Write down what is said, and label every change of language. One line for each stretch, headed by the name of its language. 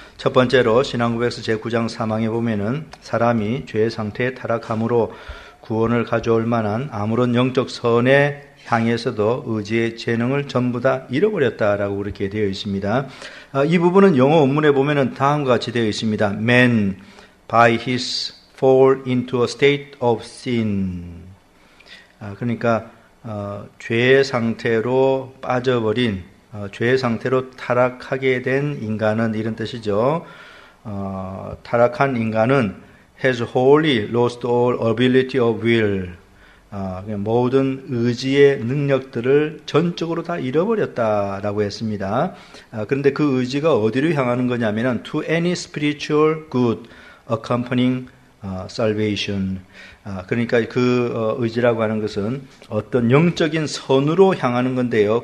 Korean: 첫 번째로 신앙고백서 제9장 사망에 보면은 사람이 죄의 상태에 타락함으로 구원을 가져올 만한 아무런 영적 선에 향해서도 의지의 재능을 전부 다 잃어버렸다라고 그렇게 되어 있습니다. 이 부분은 영어 원문에 보면은 다음과 같이 되어 있습니다.
English: Man by his fall into a state of sin.
Korean: 그러니까 죄의 상태로 빠져버린 죄의 상태로 타락하게 된 인간은 이런 뜻이죠. 타락한 인간은
English: has wholly lost all ability of will.
Korean: 모든 의지의 능력들을 전적으로 다 잃어버렸다라고 했습니다. 그런데 그 의지가 어디로 향하는 거냐면은
English: to any spiritual good accompanying salvation.
Korean: 그러니까 그 의지라고 하는 것은 어떤 영적인 선으로 향하는 건데요.